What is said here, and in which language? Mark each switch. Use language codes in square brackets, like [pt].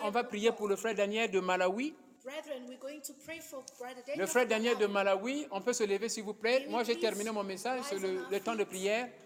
[fr] On va prier pour le frère Daniel de Malawi. [en] Brethren, we're going to pray for brother Daniel. [fr] Le frère Daniel de Malawi, on peut se lever s'il vous plaît. Moi, j'ai terminé mon message, c'est le temps de prière.